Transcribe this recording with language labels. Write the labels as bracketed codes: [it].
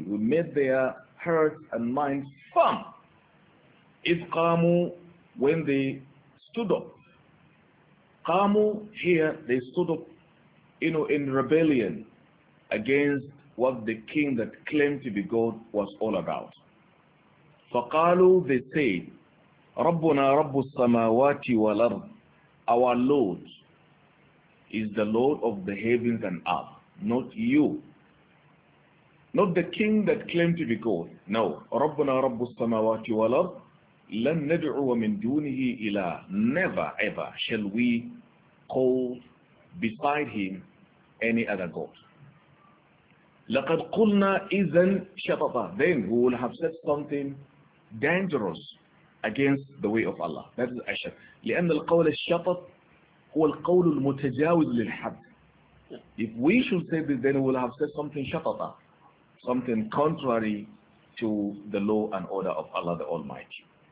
[en] We made their hearts and minds firm. [ar] إِذْ قَامُوا, [en] when they stood up. قَامُوا, here they stood up, you know, in rebellion against what the king that claimed to be God was all about. [ar] فَقَالُوا, [en] they said, [ar] رَبُّنَا رَبُّ السَّمَاوَاتِ وَالْأَرْضِ. [en] Our Lord is the Lord of the heavens and earth, not you. Not the king that claimed to be God. [ar] No. رَبُّنَا رَبُّ السَّمَوَاتِ وَالْأَرْضِ لَن نَدْعُوَ مِن دُونِهِ إِلَهًا. [en] Never ever shall we call beside him any other God. [ar] لَقَدْ قُلْنَا إِذًا شَطَطًا. [en] Then we will have said something dangerous against the way of Allah. That is أشد. [ar] لأن القول الشطط هو القول المتجاوز للحد. [en] If we should say this, then we will have said something shatata, something contrary to the law and order of Allah the Almighty.